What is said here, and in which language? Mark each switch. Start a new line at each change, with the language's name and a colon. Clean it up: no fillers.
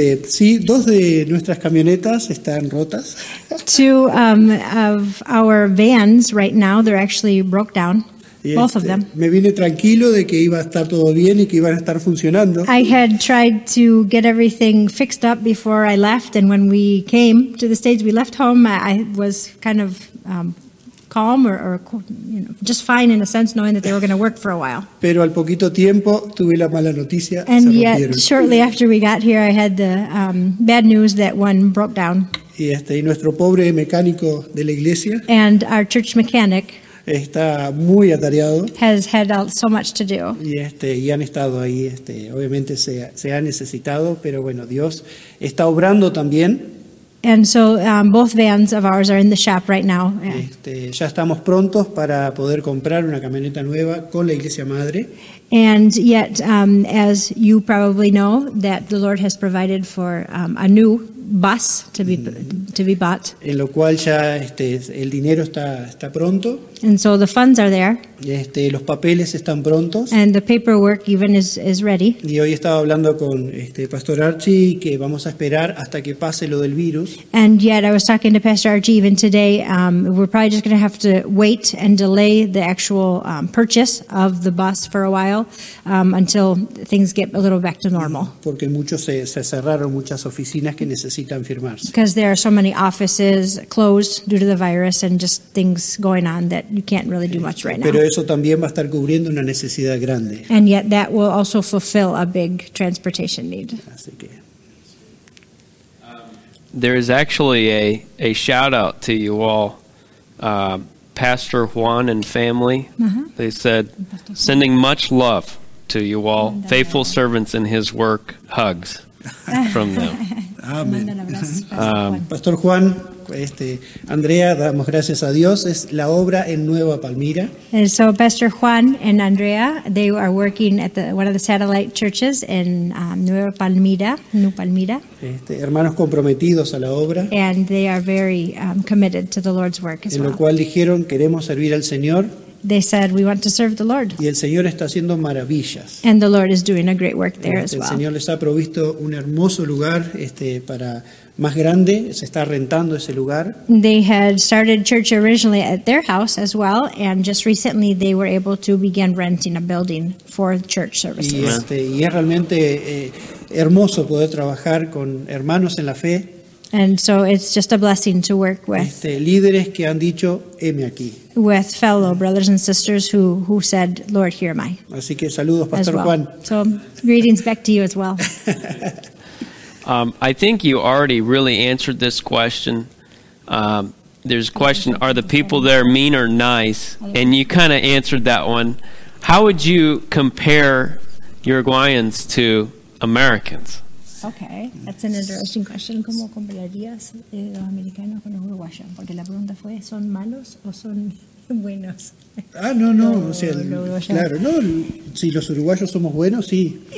Spanish: Sí, 2 de nuestras camionetas están rotas.
English: 2 of our vans right now, they're actually broke down. Both of them.
Spanish: Me vine tranquilo de que iba a estar todo bien y que iban a estar funcionando.
English: I had tried to get everything fixed up before I left, and when we came to the States, we left home, I was kind of calm or you know, just fine in a sense, knowing that they were going to work for a while.
Spanish: Pero al poquito tiempo tuve la mala noticia.
English: And
Spanish: se
English: yet,
Spanish: rompieron.
English: Shortly after we got here, I had the bad news that one broke down.
Spanish: Y nuestro pobre mecánico de la iglesia.
English: And our church mechanic.
Spanish: Está muy atareado.
English: Has had so much to do.
Spanish: Y han estado ahí. Obviamente se ha necesitado, pero bueno, Dios está obrando también.
English: And so both vans of ours are in the shop right now.
Spanish: Ya estamos prontos para poder comprar una camioneta nueva con la Iglesia Madre.
English: And yet, as you probably know, that the Lord has provided for a new bus to be bought.
Spanish: En lo cual ya el dinero está pronto.
English: And so the funds are there.
Spanish: Los papeles están prontos.
English: And the paperwork even is ready.
Spanish: Y hoy estaba hablando con Pastor Archie que vamos a esperar hasta que pase lo del virus.
English: And yet I was talking to Pastor Archie even today. We're probably just going to have to wait and delay the actual purchase of the bus for a while until things get a little back to normal.
Spanish: Porque muchos se cerraron muchas oficinas que necesitan firmarse.
English: Because there are so many offices closed due to the virus and just things going on that you can't really do much right now.
Spanish: Pero eso también va a estar cubriendo una necesidad grande.
English: And yet that will also fulfill a big transportation need.
Spanish: Así que.
English: There is actually a shout out to you all, Pastor Juan and family. Uh-huh. They said, sending much love to you all, faithful servants in his work, hugs from them.
Spanish: Amen. Pastor Juan, Andrea, damos gracias a Dios. Es la obra en Nueva Palmira.
English: And so Pastor Juan and Andrea, they are working at one of the satellite churches in Nueva Palmira, New Palmira.
Spanish: Hermanos comprometidos a la obra.
English: And they are very committed to the Lord's work as well.
Spanish: En lo cual dijeron, queremos servir al Señor.
English: They said, we want to serve the Lord.
Spanish: Y el Señor está haciendo maravillas.
English: And the Lord is doing a great work there as well.
Spanish: El Señor les ha provisto un hermoso lugar para más grande, se está rentando ese lugar.
English: They had started church originally at their house as well, and just recently they were able to begin renting a building for church services.
Spanish: Y es realmente hermoso poder trabajar con hermanos en la fe.
English: And so it's just a blessing to work with
Spanish: líderes que han dicho, "Heme aquí."
English: With fellow brothers and sisters who said, "Lord, here am I."
Spanish: Así que saludos, Pastor Juan.
English: So greetings back to you as well. I think you already really answered this question. There's a question, are the people there mean or nice? And you kind of answered that one. How would you compare Uruguayans to Americans? Okay, that's an interesting question.
Spanish: ¿Cómo compararías los americanos con los uruguayos? Porque la pregunta fue, ¿son malos o son buenos? Ah, no. O sea, claro, no. Si los uruguayos somos buenos, sí.